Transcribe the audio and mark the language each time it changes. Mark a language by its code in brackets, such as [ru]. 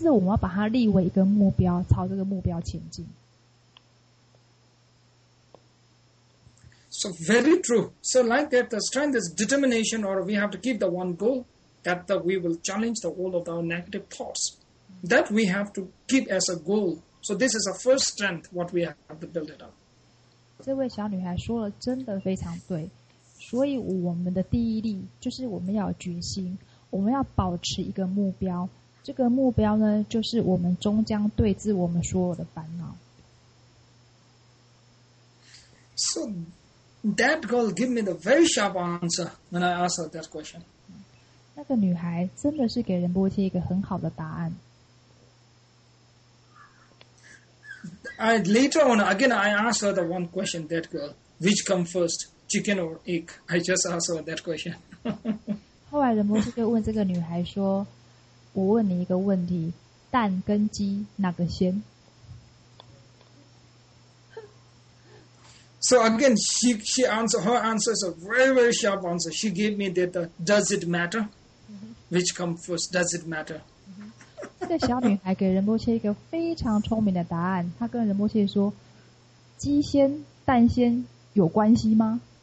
[zh] 那这个女孩子就跟仁波切讲了一个非常聪明的答案。她跟仁波切说，在一天两天内，没有人有办法达成这样。但是我们要把它立为一个目标，朝这个目标前进。 [en] So very true. So like that, the strength is determination, or we have to keep the one goal that we will challenge the all of our negative thoughts. That we have to keep as a goal. So this is a first strength what we have to build it up. [zh] 这位小女孩说了真的非常对。所以我们的第一力就是我们要有决心，我们要保持一个目标。这个目标呢，就是我们终将对治我们所有的烦恼。 [en] So that girl gave me the very sharp answer when I asked her that question. [zh] 那个女孩真的是给仁波切一个很好的答案。 [en] Later on, again, I asked her the one question, that girl, which come first, chicken or egg? I just asked her that question. [zh] 后来仁波切就问这个女孩说, 我问你一个问题, 蛋跟鸡哪个先? [en] So again, she answered, her answer is a very, very sharp answer. She gave me that, does it matter? Mm-hmm. Which comes first, does it matter? Mm-hmm. [zh] 这个小女孩给仁波切一个非常聪明的答案。她跟仁波切说,鸡先,蛋先有关系吗?